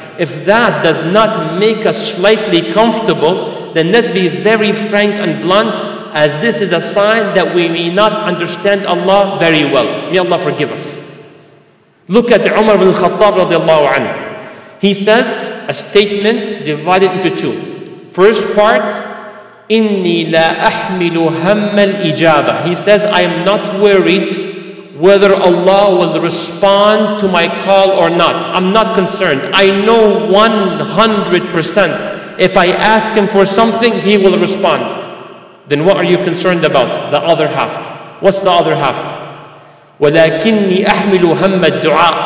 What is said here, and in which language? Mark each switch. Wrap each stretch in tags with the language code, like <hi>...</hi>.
<en>If that does not make us slightly comfortable, then let's be very frank and blunt, as this is a sign that we may not understand Allah very well. May Allah forgive us. Look at Umar ibn Khattab radiallahu anhu. He says a statement divided into two. First part,</en> <ar>إِنِّي لَا أَحْمِلُ هَمَّ الْإِجَابَةِ.</ar> <en>He says, I am not worried whether Allah will respond to my call or not. I'm not concerned. I know 100% if I ask Him for something, He will respond. Then what are you concerned about? The other half. What's the other half?</en> <ar>وَلَكِنِّي أَحْمِلُ هَمَّ الدُّعَاءِ.</ar>